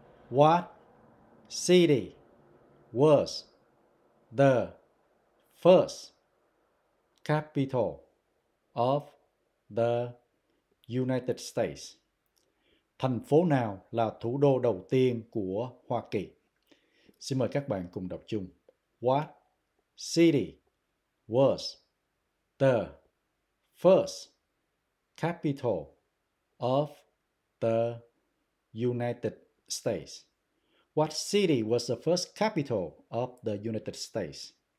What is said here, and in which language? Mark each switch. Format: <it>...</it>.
<en>What city was the first capital of the United States?</en> <vi>Thành phố nào là thủ đô đầu tiên của Hoa Kỳ? Xin mời các bạn cùng đọc chung.</vi> <en>What city was the first capital of the United States? What city was the first capital of the United States?</en>